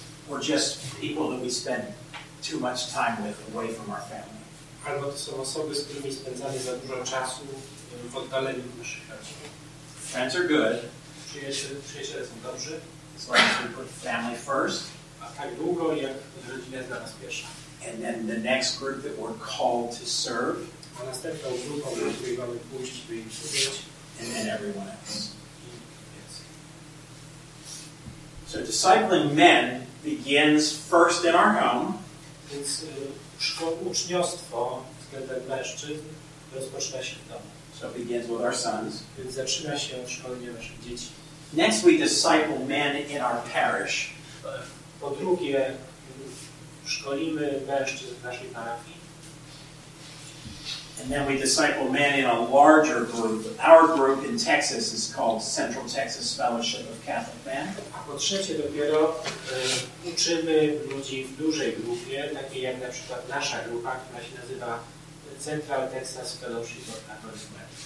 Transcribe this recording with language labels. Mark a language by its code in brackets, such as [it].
[en] Or just people that we spend too much time with away from our family. [pl] Albo to są osoby, z którymi spędzamy za dużo czasu. W oddaleniu naszych rodzin. [en] Friends are good. [pl] Przyjaciele są dobrzy. [en] As long as we put family first. [pl] A tak długo, jak rodzina jest dla nas pierwsza. [en] And then the next group that we're called to serve. [pl] A następną grupą, do której mamy pójść, by im służyć. [en] And then everyone else. So discipling men begins first in our home. [pl] Więc uczniostwo względem mężczyzn rozpoczyna się w domu. [en] So it begins with our sons. [pl] Więc zaczyna się od szkolenia naszych dzieci. [en] Next we disciple men in our parish. [pl] Po drugie, szkolimy mężczyzn w naszej parafii. [en] And then we disciple men in a larger group. Our group in Texas is called Central Texas Fellowship of Catholic Men. [pl] A po trzecie dopiero uczymy ludzi w dużej grupie, takiej jak na przykład nasza grupa, która się nazywa Central Texas Fellowship of Catholic Men.